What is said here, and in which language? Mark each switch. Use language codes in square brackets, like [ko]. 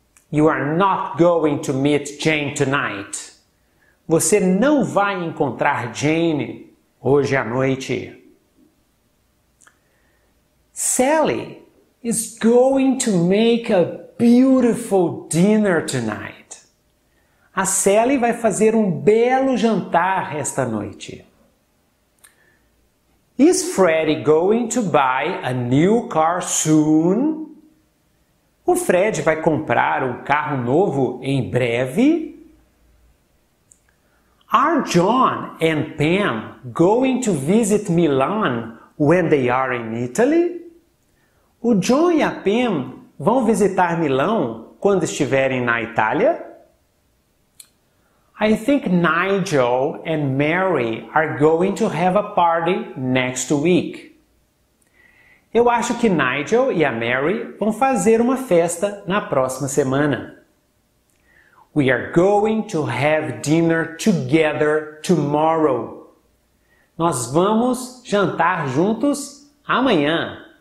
[en] You are not going to meet Jane tonight. [pt] Você não vai encontrar Jane hoje à noite. [en] Sally is going to make a beautiful dinner tonight. [pt] A Sally vai fazer um belo jantar esta noite. [en] Is Freddy going to buy a new car soon? [pt] O Fred vai comprar um carro novo em breve? [en] Are John and Pam going to visit Milan when they are in Italy? [pt] O John e a Pam vão visitar Milão quando estiverem na Itália? [en] I think Nigel and Mary are going to have a party next week. [pt] Eu acho que Nigel e a Mary vão fazer uma festa na próxima semana. [en] We are going to have dinner together tomorrow. [pt] Nós vamos jantar juntos amanhã.